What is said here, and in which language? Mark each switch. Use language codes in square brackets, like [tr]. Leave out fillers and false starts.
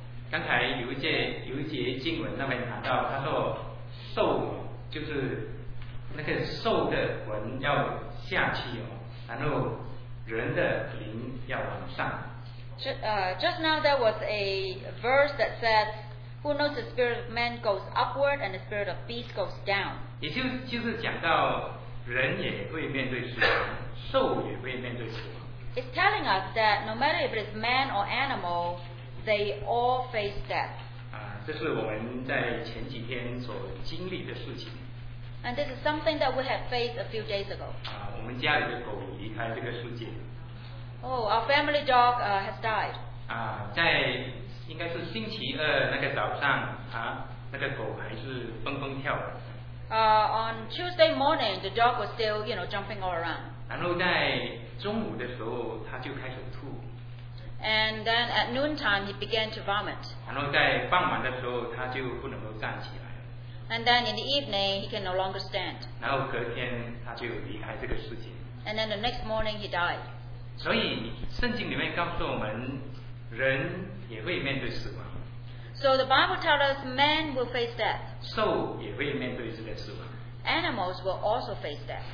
[zh] 刚才有一节经文那边谈到，他说兽就是那个兽的魂要下去哦，然后人的灵要往上。 [en] Just now there was a verse that said, "Who knows the spirit of man goes upward and the spirit of beast goes down?" [zh] 也就是讲到人也会面对死亡，兽也会面对死亡。 [en] It's telling us that no matter if it's man or animal. They all face death. [zh] 这是我们在前几天所经历的事情。 [en] And this is something that we have faced a few days ago. [zh] 我们家里的狗离开这个世界。 [en] Oh, our family dog has died. [zh] 在应该是星期二那个早上，那个狗还是蹦蹦跳。 [en] On Tuesday morning, the dog was still, you know, jumping all around. [zh] 然后在中午的时候，它就开始吐。 [en] And then at noontime, he began to vomit. [zh] 然后在傍晚的时候，他就不能够站起来。 [en] And then in the evening, he can no longer stand. [zh] 然后隔天他就离开这个世界。 [en] And then the next morning, he died. [zh] 所以圣经里面告诉我们，人也会面对死亡。 [en] So the Bible tells us man will face death. [zh] 兽也会面对这个死亡。 [en] Animals will also face death.